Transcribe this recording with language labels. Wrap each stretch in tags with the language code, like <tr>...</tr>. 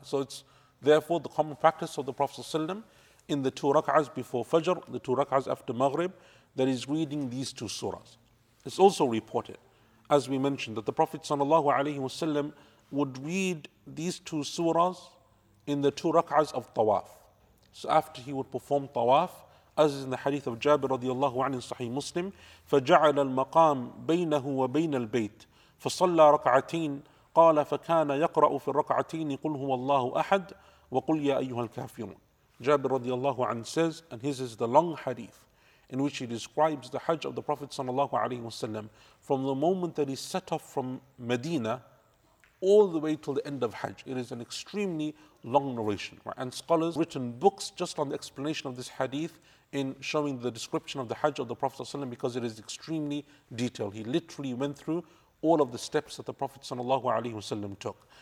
<en>So it's therefore the common practice of the Prophet ﷺ in the two rak'ahs before Fajr, the two rak'ahs after Maghrib, that is reading these two surahs. It's also reported, as we mentioned, that the Prophet ﷺ would read these two surahs in the two rak'ahs of Tawaf. So after he would perform Tawaf, as is in the hadith of Jabir radiallahu anhu in Sahih Muslim,</en> <ar>فجعل المقام بينه وبين البيت فصلى ركعتين قال فكان يقرأ في الركعتين قل هو الله أحد وقل يا أيها الكافرون.</ar> <en>Jabir radiallahu anhu says, and his is the long hadith in which he describes the Hajj of the Prophet sallallahu alaihi wasallam from the moment that he set off from Medina all the way till the end of Hajj. It is an extremely long narration, right? And scholars have written books just on the explanation of this hadith in showing the description of the Hajj of the Prophet sallallahu alaihi wasallam, because it is extremely detailed. He literally went through all of the steps that the Prophet sallallahu alaihi wasallam took.</en>